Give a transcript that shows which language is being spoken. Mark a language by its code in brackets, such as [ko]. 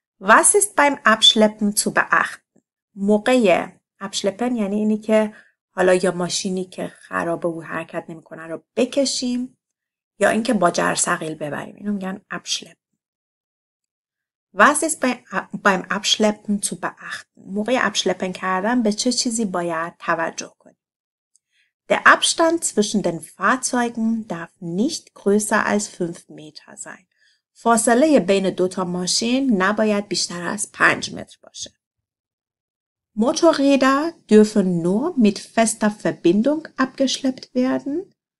[de] Was ist beim Abschleppen zu beachten? [fa] موقع Abschleppen یعنی اینی که حالا یا ماشینی که خرابه و حرکت نمیکنه رو بکشیم یا اینکه با جرثقیل ببریم. اینو میگن ابشلپ. [de] Was ist beim Abschleppen zu beachten? [fa] موقع ابشلپن کردن به چه چیزی باید توجه کنیم؟ [de] Der Abstand zwischen den Fahrzeugen darf nicht größer als 5 Meter sein. [fa] فاصله بین دو تا ماشین نباید بیشتر از 5 متر باشه. [de] Motorräder dürfen nur mit fester Verbindung abgeschleppt werden.